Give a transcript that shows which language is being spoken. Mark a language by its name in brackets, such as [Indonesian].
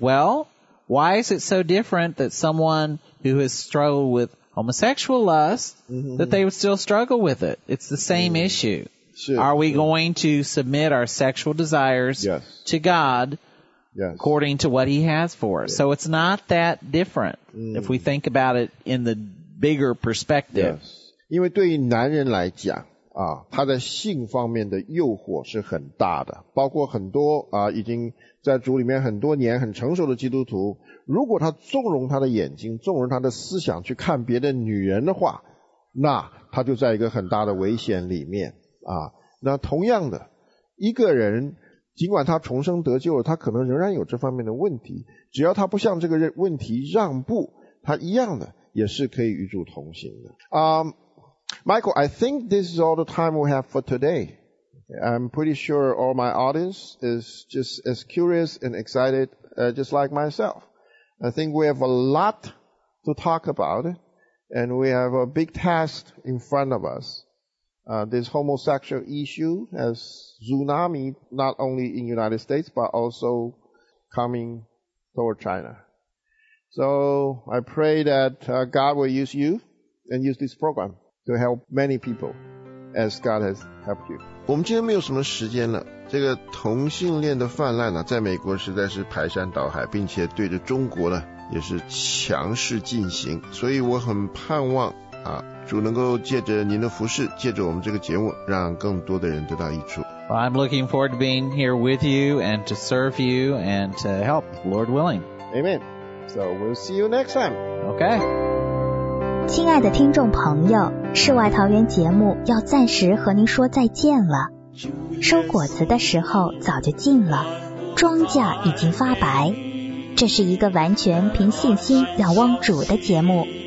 [English] Well, why is it so different that someone who has struggled with homosexual lust, that they would still struggle with it? It's the same issue. Are we going to submit our sexual desires yes. to God yes. according to what he has for us? Yes. So it's not that different、 mm. if we think about it in the bigger perspective. Yes. [Chinese] 因为对于男人来讲、啊、他的性方面的诱惑是很大的，包括很多、啊、已经在主里面很多年很成熟的基督徒，如果他纵容他的眼睛，纵容他的思想去看别的女人的话，那他就在一个很大的危险里面啊，那同样的，一个人尽管他重生得救了，他可能仍然有这方面的问题，只要他不向这个问题让步，他一样的也是可以与主同行的。 [English] Michael, I think this is all the time we have for today. I'm pretty sure all my audience is just as curious and excited, just like myself. I think we have a lot to talk about, and we have a big task in front of us. This homosexual issue has tsunami not only in the United States, but also coming toward China. So I pray that、God will use you and use this program to help many people as God has helped you. [Chinese] 我们今天没有什么时间了，这个同性恋的泛滥、啊、在美国实在是排山倒海，并且对着中国呢也是强势进行，所以我很盼望啊，主能够借着您的服事，借着我们这个节目，让更多的人得到益处。 [English] Well, I'm looking forward to being here with you and to serve you and to help, Lord willing. Amen. So we'll see you next time. Okay. [Chinese] 亲爱的听众朋友，世外桃源节目要暂时和您说再见了。收果子的时候早就近了，庄稼已经发白。这是一个完全凭信心仰望主的节目。